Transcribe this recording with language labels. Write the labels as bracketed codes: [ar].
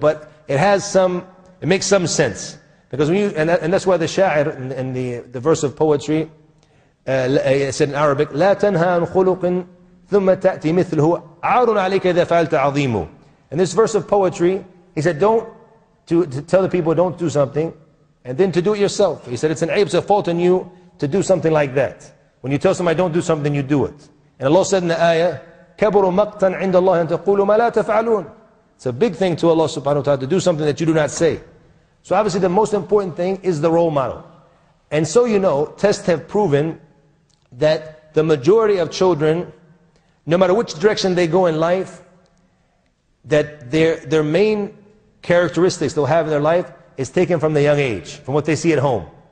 [en] But it has some, it makes some sense. Because when you, and that's why the sha'ir, in the verse of poetry, it said in Arabic, [ar] لا تنهى عن خلق ثم تأتي مثله عار عليك إذا فعلت عظيمه. [en] In this verse of poetry, he said, don't tell the people, don't do something, and then to do it yourself. He said, it's an aib, it's a fault in you to do something like that. When you tell somebody, don't do something, you do it. And Allah said in the ayah, [ar] كَبُرُ مَقْتًا عِنْدَ اللَّهِ أَن تَقُولُ مَا لَا تَفْعَلُونَ. [en] It's a big thing to Allah subhanahu wa ta'ala to do something that you do not say. So obviously the most important thing is the role model. And so you know, tests have proven that the majority of children, no matter which direction they go in life, that their main characteristics they'll have in their life is taken from the young age, from what they see at home.